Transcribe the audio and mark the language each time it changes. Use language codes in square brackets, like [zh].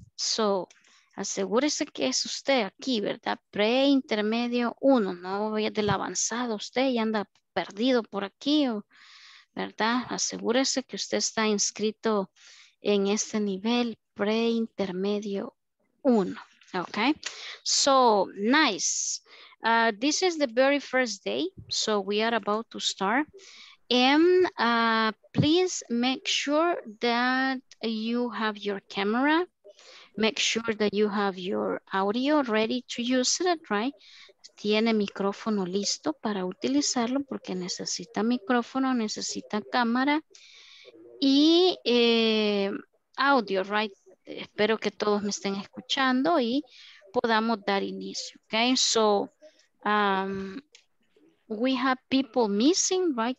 [es] So, asegúrese que es usted aquí, ¿verdad? Preintermedio 1, no voy a del avanzado. Usted ya anda perdido por aquí, ¿verdad? Asegúrese que usted está inscrito en este nivel preintermedio 1. [en] Okay, so nice. This is the very first day, so we are about to start. And please make sure that you have your camera. Make sure that you have your audio ready to use it, right? [es] Tiene micrófono listo para utilizarlo porque necesita micrófono, necesita cámara y audio, right? Espero que todos me estén escuchando y podamos dar inicio, okay? [en] So, we have people missing, right?